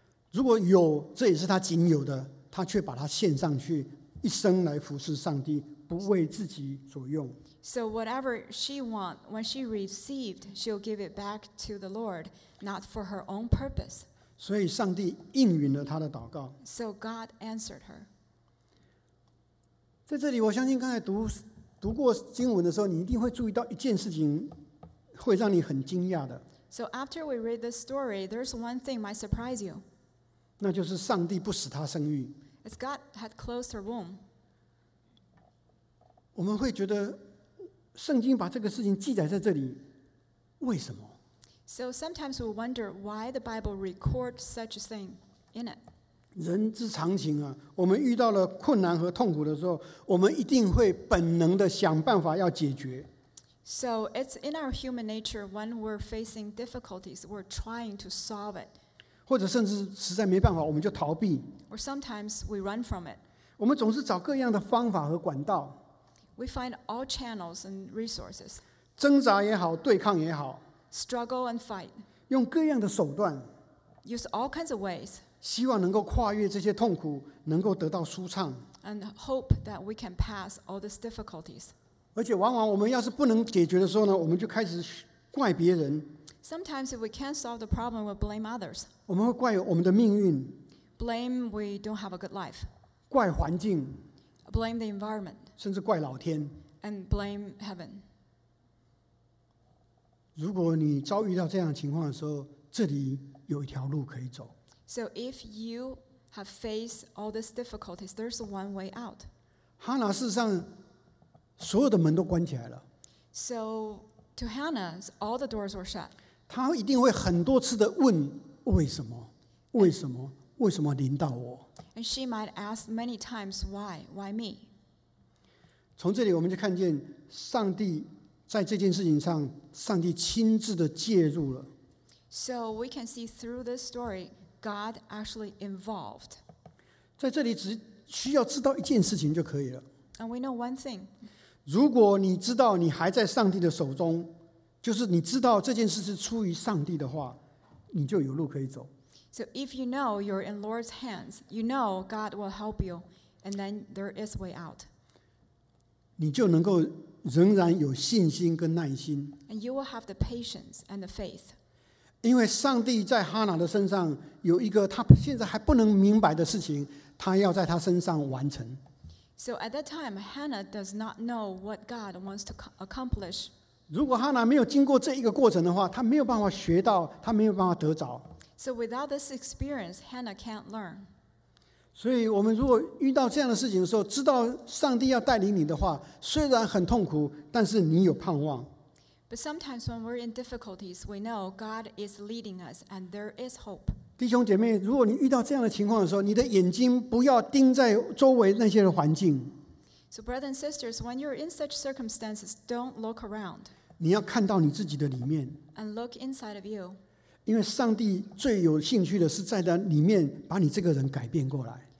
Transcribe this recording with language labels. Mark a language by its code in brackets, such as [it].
[zh] 如果有，这也是他仅有的，他却把他献上去，一生来服侍上帝，不为自己所用。 [en] So whatever she wants, when she received, she'll give it back to the Lord, not for her own purpose. [zh] 所以上帝应允了他的祷告。 [en] So God answered her. [zh] 在这里，我相信刚才读过经文的时候，你一定会注意到一件事情，会让你很惊讶的。 [en] So after we read this story, there's one thing might surprise you. [zh] 那就是上帝不使他生育。 [en] It's God had closed her womb. [zh] 我们会觉得圣经把这个事情记载在这里，为什么？ [en] So sometimes we wonder why the Bible records such a thing in it. [zh] 人之常情啊，我们遇到了困难和痛苦的时候，我们一定会本能的想办法要解决。 [en] So it's in our human nature when we're facing difficulties, we're trying to solve it. [zh] 或者甚至实在没办法，我们就逃避。 [en] Or sometimes we run from it. [zh] 我们总是找各样的方法和管道。 [en] We find all channels and resources. [zh] 挣扎也好，对抗也好。 [en] Struggle and fight. [zh] 用各样的手段。 [en] Use all kinds of ways. [zh] 希望能够跨越这些痛苦，能够得到舒畅。 [en] And hope that we can pass all these difficulties. [zh] 而且往往我们要是不能解决的时候呢，我们就开始怪别人。 [en] Sometimes if we can't solve the problem, we'll blame others. [zh] 我们会怪我们的命运。 [en] Blame we don't have a good life. [zh] 怪环境。 [en] Blame the environment. [zh] 甚至怪老天。 [en] And blame heaven. [zh] 如果你遭遇到这样的情况的时候，这里有一条路可以走。 [en] So if you have faced all these difficulties, there's one way out. [zh] 哈拿事实上所有的门都关起来了。 [en] So to Hannah, all the doors were shut. [zh] 她一定会很多次的问为什么，为什么，为什么临到我。 [en] And she might ask many times why, why me? [zh] 从这里我们就看见上帝在这件事情上，上帝亲自的介入了。 [en] So we can see through this story, God actually involved. [zh] 在这里只需要知道一件事情就可以了。 [en] And we know one thing. [zh] 如果你知道你还在上帝的手中，就是你知道这件事是出于上帝的话，你就有路可以走。 [en] So if you know you're in Lord's hands, you know God will help you, and then there is way out. [zh] 你就能够仍然有信心跟耐心。 [en] And you will have the patience and the faith. [zh] 因为上帝在哈拿的身上有一个他现在还不能明白的事情，他要在他身上完成。 [en] So at that time, Hannah does not know what God wants to accomplish. [zh] 如果哈拿没有经过这一个过程的话，她没有办法学到，她没有办法得着。 [en] So without this experience, Hannah can't learn. [zh] 所以我们如果遇到这样的事情的时候，知道上帝要带领你的话，虽然很痛苦，但是你有盼望。 [en] But sometimes when we're in difficulties, we know God is leading us and there is hope. [zh] 弟兄姐妹，如果你遇到这样的情况的时候，你的眼睛不要盯在周围那些的环境。 [en] So brothers and sisters, when you're in such circumstances, don't look around. [zh] 你要看到你自己的里面。 [en] And look inside of you. [zh] 因为上帝最有兴趣的是在那里面把你这个人改变过来。